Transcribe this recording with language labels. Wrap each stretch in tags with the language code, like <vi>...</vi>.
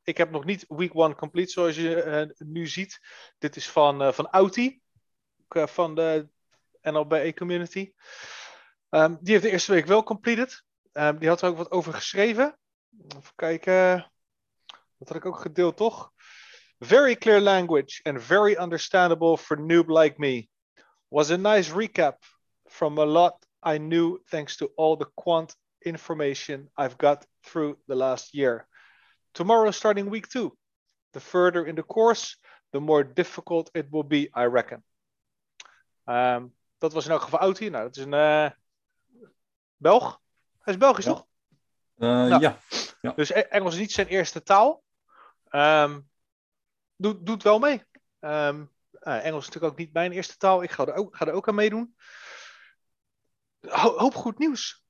<nl>Ik heb nog niet</nl> <en>week one complete,</en> <nl>zoals je nu ziet. Dit is van Auti, van de NLBA community. Die heeft de eerste week wel completed. Die had er ook wat over geschreven. Even kijken. Dat had ik ook gedeeld, toch?</nl> <en>Very clear language and very understandable for noob like me. Was a nice recap from a lot I knew thanks to all the quant information I've got through the last year. Tomorrow starting week two. The further in the course, the more difficult it will be, I reckon.</en> <nl>Dat was in elk geval oud hier. Nou, dat is een Belg. Hij is Belgisch, toch? Ja. Dus Engels is niet zijn eerste taal. Doet wel mee. Engels is natuurlijk ook niet mijn eerste taal. Ik ga er ook aan meedoen. Hoop goed nieuws.</nl>